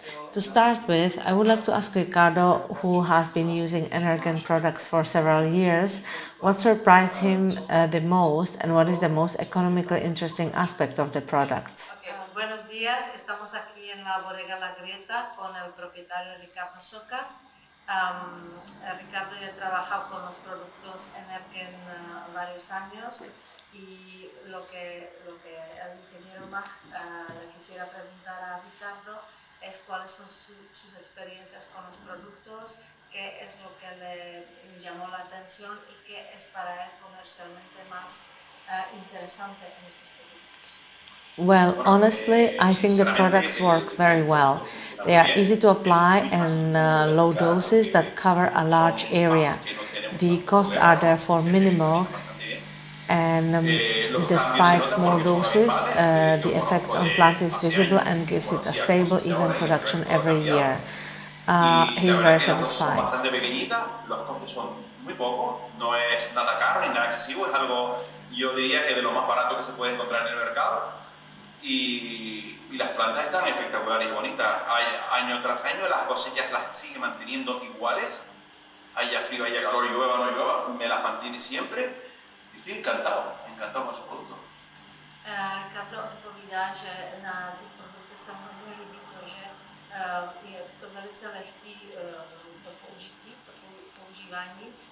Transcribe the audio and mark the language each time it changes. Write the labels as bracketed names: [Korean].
[English] To start with, I would like to ask Ricardo, who has been using Energen products for several years, what surprised him the most and what is the most economically interesting aspect of the products? Okay. [Spanish] Buenos días, estamos aquí en la bodega La Grieta con el propietario Ricardo Socas. Ricardo ya ha trabajado con los productos Energen varios años y lo que el ingeniero Mach le quisiera preguntar a Ricardo es cuáles son sus experiencias con los productos, qué es lo que le llamó la atención y qué es para él comercialmente más interesante en estos productos. [English] Well, honestly, I think the products work very well. They are easy to apply and low doses that cover a large area. The costs are therefore minimal. And despite small doses, the effect on plants is visible and gives it a stable, even production every year. He's very satisfied. [Spanish] Y las plantas están espectaculares y bonitas. Hay año tras año las cosechas las sigue manteniendo iguales. Haya frío, haya calor, llueva o no llueva, me las mantiene siempre. Y estoy encantado con su producto. [Czech] Ricardo odpovídá, že na těch produktech se mu hodně líbí to, že je to velice lehký to použití, používání.